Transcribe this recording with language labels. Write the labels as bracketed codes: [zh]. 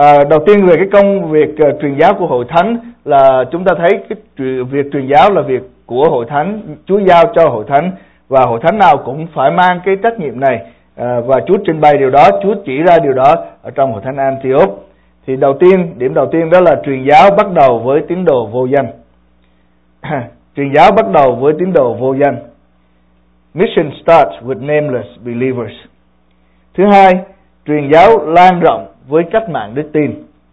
[vi] Đầu tiên về cái công việc truyền giáo của hội thánh, là chúng ta thấy cái việc truyền giáo là việc của hội thánh, Chúa giao cho hội thánh, và hội thánh nào cũng phải mang cái trách nhiệm này. Và Chúa trình bày điều đó, Chúa chỉ ra điều đó ở trong hội thánh Antioch. Thì đầu tiên, điểm đầu tiên đó là truyền giáo bắt đầu với tín đồ vô danh. Truyền giáo bắt đầu với tín đồ vô danh. [en] Mission starts with nameless believers. [vi] Thứ hai, truyền giáo lan rộng với cách mạng đức tin.